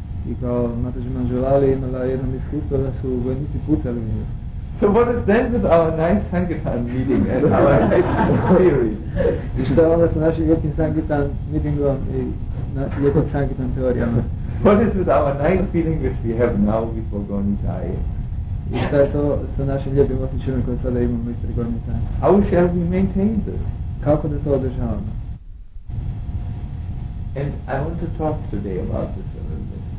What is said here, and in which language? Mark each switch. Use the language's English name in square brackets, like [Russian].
[Bosnian] I kao Mataji Manjulali imala jedno iskustvo da su vojnici pucali u nju. [English] So what is then with our nice Sankirtan meeting and our nice theory? [Bosnian] I šta onda sa našim lijepim Sankirtan meetingom i lijepim Sankirtan teorijama? [English] What is with our nice feeling which we have now before Goni Thaye? [Bosnian] I šta je to sa našim lijepim osjećajima koje sada imamo ispred Goni Thaye? [English] How shall we maintain this? [Bosnian] Kako da to održavamo? [English] And I want to talk today about this a little bit.